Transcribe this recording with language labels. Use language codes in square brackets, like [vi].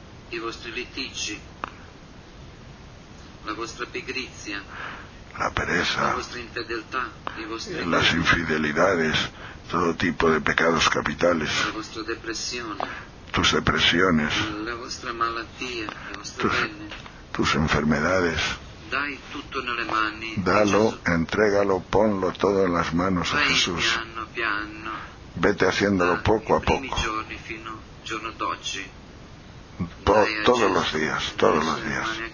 [it] i vostri litigi, la vostra pigrizia, [es] la pereza, [it] la vostra infedeltà, i vostri [es] las infidelidades, todo tipo de pecados capitales, [it] la vostra depressione, [es] tus depresiones, [it] la vostra malattia, le vostre venne, [es] tus enfermedades. [it] Dai tutto nelle mani, [es] dalo, entrégalo, ponlo todo en las manos. [it] Vai [es] a Jesús. [it] Piano, piano, [es] vete haciéndolo poco a poco. [it] Giorni fino al giorno d'oggi. [es] Todos los días, todos los días.